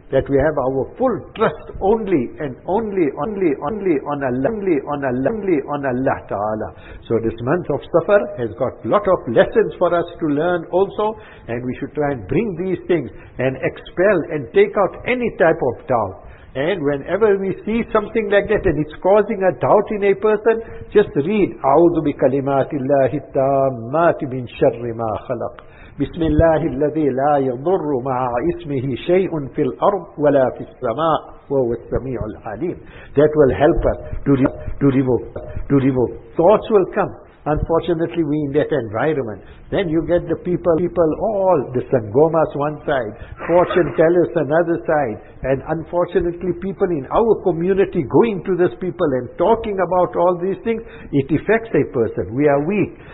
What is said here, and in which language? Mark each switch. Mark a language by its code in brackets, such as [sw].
[en] that we have our full trust only and only, only, only on Allah, only on Allah, only on Allah Ta'ala. So this month of Safar has got lot of lessons for us to learn also, and we should try and bring these things and expel and take out any type of doubt. And whenever we see something like that and it's causing a doubt in a person, just read, [ar] أعوذ بكلمات الله التامات من شر ما خلق بسم الله الذي لا يضر مع اسمه شيء في الأرض ولا في السماء وهو السميع العليم. [en] That will help us to remove. Thoughts will come. Unfortunately, we in that environment. Then you get the people all, the Sangomas one side, fortune tellers another side, and unfortunately people in our community going to these people and talking about all these things, it affects a person. We are weak.